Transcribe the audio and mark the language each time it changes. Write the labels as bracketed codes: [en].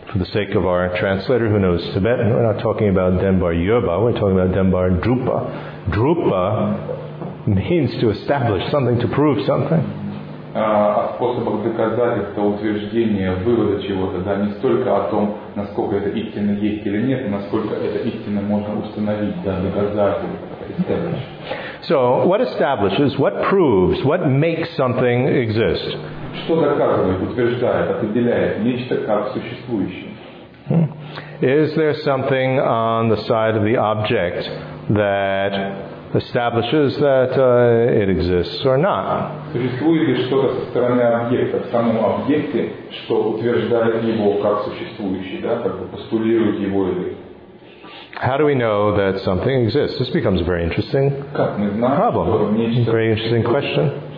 [en] For the sake of our translator who knows Tibetan, we're not talking about Denbar Yerba, we're talking about Denbar Drupa. Drupa means to establish something, to prove something. [ru] О способах доказательства, утверждения, вывода чего-то, да, не столько о том, насколько это истина есть или нет, а насколько это истина можно установить, да, доказать, establish. [en] So, what establishes, what proves, what makes something exist? [ru] Что доказывает, утверждает, определяет нечто как существующее? [en] Is there something on the side of the object that establishes that it exists or not? [ru] Существует ли что-то со стороны объекта, в самом объекте, что утверждает его как существующий, да, как бы постулирует его или... [en] How do we know that something exists? This becomes a very interesting problem, a very interesting question.